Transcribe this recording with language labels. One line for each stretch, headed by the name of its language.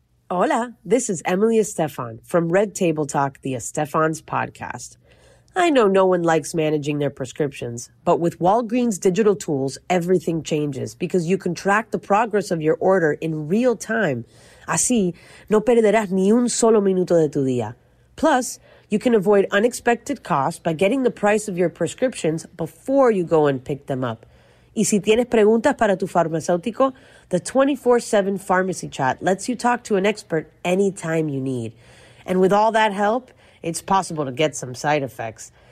English: Hola, this is Emily Estefan from Red Table Talk, the Estefans podcast. I know no one likes managing their prescriptions, but with Walgreens digital tools, everything changes because you can track the progress of your order in real time.
Spanish: Así, no perderás ni un solo minuto de tu día.
English: Plus, you can avoid unexpected costs by getting the price of your prescriptions before you go and pick them up.
Spanish: Y si tienes preguntas para tu farmacéutico,
English: the 24/7 pharmacy chat lets you talk to an expert anytime you need. And with all that help, it's possible to get some side effects.